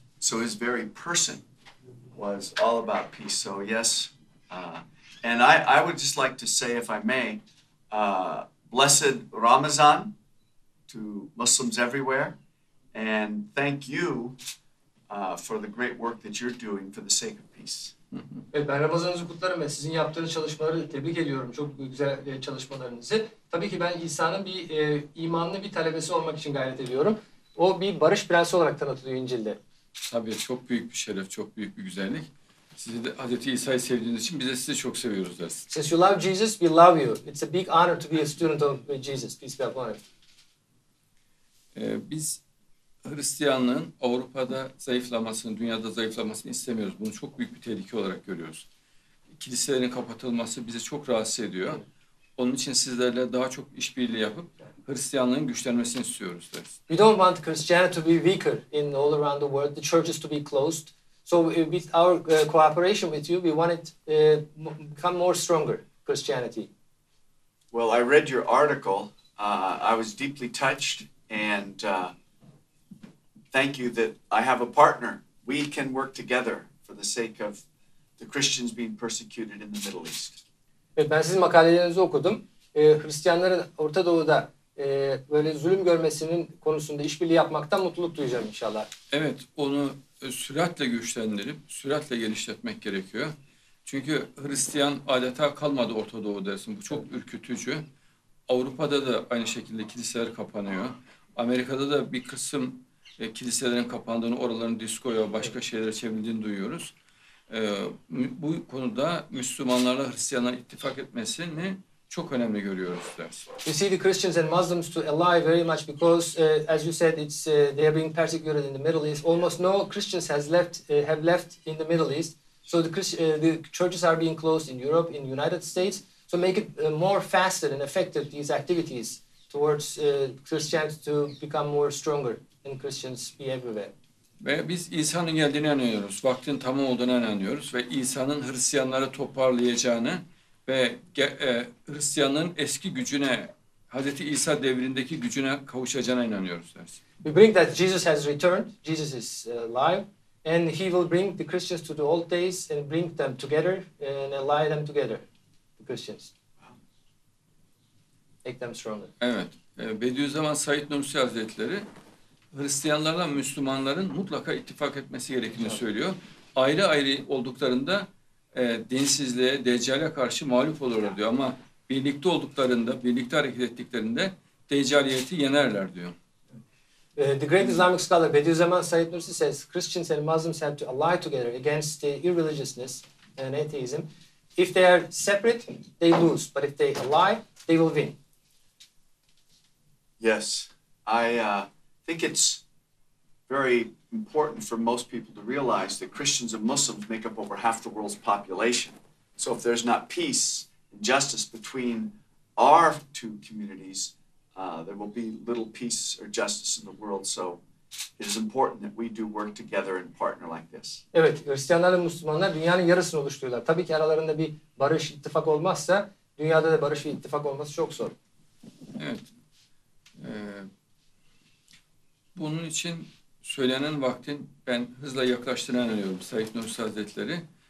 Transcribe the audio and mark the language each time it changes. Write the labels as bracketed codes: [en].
[en] So his very person was all about peace. So yes, and I would just like to say, if I may, blessed Ramadan to Muslims everywhere, and thank you for the great work that you're doing for the sake of peace. [tr] Evet, ben Ramazan'ınızı kutlarım ve sizin yaptığınız çalışmaları tebrik ediyorum. Çok güzel çalışmalarınızı. Tabii ki ben İsa'nın bir imanlı bir talebesi olmak için gayret ediyorum. O bir barış prensi olarak tanıtılıyor İncil'de. Tabii çok büyük bir şeref, çok büyük bir güzellik. Sizi de Hazreti İsa'yı sevdiğiniz için biz de sizi çok seviyoruz dersin. [en] Since you love Jesus, we love you. It's a big honor to be a student of Jesus. Peace be upon you. [tr] Biz Hristiyanlığın Avrupa'da zayıflamasını, dünyada zayıflamasını istemiyoruz. Bunu çok büyük bir tehlike olarak görüyoruz. Kiliselerin kapatılması bizi çok rahatsız ediyor. Onun için sizlerle daha çok işbirliği yapıp Hristiyanlığın güçlenmesini istiyoruz dersin. [en] We don't want Christianity to be weaker in all around the world, the churches to be closed. So with our cooperation with you, we want it become more stronger, Christianity. Well, I read your article. I was deeply touched, and thank you that I have a partner. We can work together for the sake of the Christians being persecuted in the Middle East. [tr] Evet, ben sizin makalelerinizi okudum. Hristiyanların Orta Doğu'da böyle zulüm görmesinin konusunda işbirliği yapmaktan mutluluk duyacağım inşallah. Evet, onu süratle güçlendirip, süratle genişletmek gerekiyor. Çünkü Hristiyan adeta kalmadı Orta Doğu dersin. Bu çok ürkütücü. Avrupa'da da aynı şekilde kiliseler kapanıyor. Amerika'da da bir kısım kiliselerin kapandığını, oraların diskoya, başka şeylere çevrildiğini duyuyoruz. Bu konuda Müslümanlarla Hristiyanlar ittifak etmesini çok önemli görüyoruz dersin. [en] You see the Christians and Muslims to ally very much because as you said it's they are being persecuted in the Middle East. Almost no Christians have left in the Middle East. So the churches are being closed in Europe, in United States. So make it more faster and effective these activities towards Christians to become more stronger and Christians be everywhere. [tr] Ve biz İsa'nın geldiğine inanıyoruz. Vaktin tamam olduğuna inanıyoruz ve İsa'nın Hristiyanları toparlayacağını ve Hristiyanlığın eski gücüne, Hazreti İsa devrindeki gücüne kavuşacağına inanıyoruz dersin. [en] We bring that Jesus has returned, Jesus is alive, and he will bring the Christians to the old days and bring them together and ally them together, the Christians. Make them stronger. [tr] Evet, Bediüzzaman Said Nursi Hazretleri, Hristiyanlarla Müslümanların mutlaka ittifak etmesi gerektiğini söylüyor. Ayrı ayrı olduklarında dinsizliğe, Deccal'e karşı mağlup olurlar diyor ama birlikte olduklarında, birlikte hareket ettiklerinde Deccaliyeti yenerler diyor. [en] The great Islamic scholar Bediüzzaman Said Nursi says Christians and Muslims have to ally together against the irreligiousness and atheism. If they are separate, they lose, but if they ally, they will win. Yes. I think it's very important for most people to realize that Christians and Muslims make up over half the world's population. So if there's not peace and justice between our two communities, there will be little peace or justice in the world. So it is important that we do work together and partner like this. [tr] Evet, Hristiyanlar ve Müslümanlar dünyanın yarısını oluşturuyorlar. Tabii ki aralarında bir barış, ittifak olmazsa dünyada da barış ve ittifak olması çok zor. Evet. Bunun için söylenen vaktin ben hızla yaklaştığını anlıyorum Said Nursi Hazretleri.